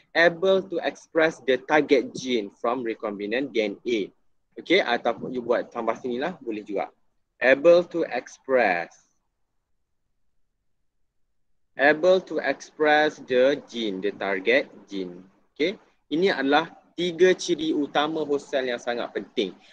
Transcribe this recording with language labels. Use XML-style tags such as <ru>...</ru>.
<en>Able to express the target gene from recombinant DNA. Okay.</en> <ms>Ataupun you buat tambah sini lah boleh juga.</ms> <en>Able to express the gene, the target gene. Okay.</en> <ms>Ini adalah tiga ciri utama host cell yang sangat penting.</ms>